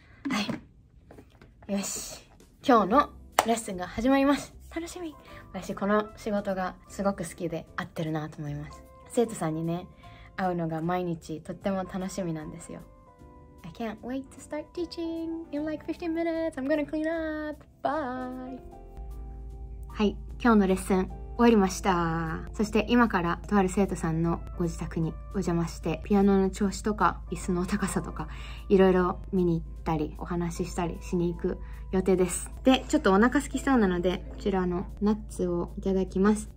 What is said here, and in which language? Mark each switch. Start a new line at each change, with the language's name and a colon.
Japanese: はい、よし、今日のレッスンが始まります。楽しみ。私この仕事がすごく好きで合ってるなと思います。生徒さんにね、会うのが毎日とっても楽しみなんですよ。
English: I can't wait to start teaching in like 15 minutes. I'm gonna clean up. Bye.
Japanese: はい、今日のレッスン終わりました。そして今からとある生徒さんのご自宅にお邪魔して、ピアノの調子とか椅子の高さとかいろいろ見に行ったりお話ししたりしに行く予定です。で、ちょっとお腹すきそうなのでこちらのナッツをいただきます。